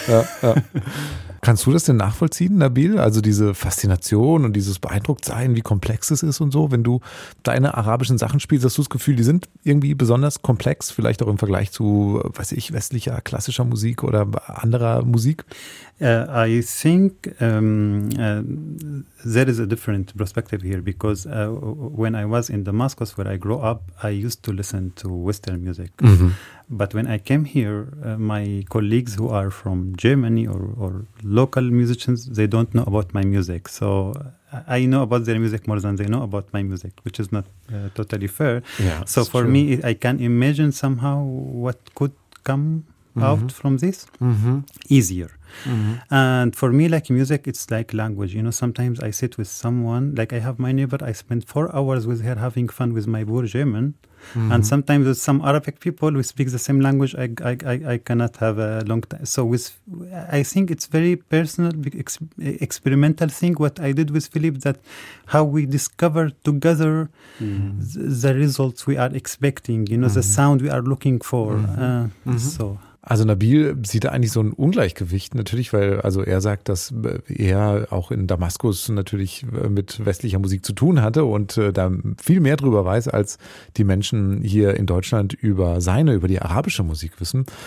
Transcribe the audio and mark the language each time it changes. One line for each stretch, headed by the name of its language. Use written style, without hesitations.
German: Ja, ja. Kannst du das denn nachvollziehen, Nabil? Also diese Faszination und dieses Beeindrucktsein, wie komplex es ist und so. Wenn du deine arabischen Sachen spielst, hast du das Gefühl, die sind irgendwie besonders komplex, vielleicht auch im Vergleich zu, weiß ich, westlicher klassischer Musik oder anderer Musik?
English: I think there is a different perspective here because when I was in Damascus, where I grew up, I used to listen to Western music. But when I came here, my colleagues who are from Germany or local musicians, they don't know about my music. So I know about their music more than they know about my music, which is not totally fair. Yeah, so for me, I can imagine somehow what could come out from this easier. And for me, like music, it's like language. You know, sometimes I sit with someone, like I have my neighbor, I spend 4 hours with her having fun with my poor German. And sometimes with some Arabic people who speak the same language, I cannot have a long time. So with, I think it's very personal, experimental thing what I did with Philippe, that how we discovered together the results we are expecting, you know, the sound we are looking for. So.
German: Also Nabil sieht da eigentlich so ein Ungleichgewicht natürlich, weil also er sagt, dass er auch in Damaskus natürlich mit westlicher Musik zu tun hatte und da viel mehr drüber weiß, als die Menschen hier in Deutschland über seine, über die arabische Musik wissen.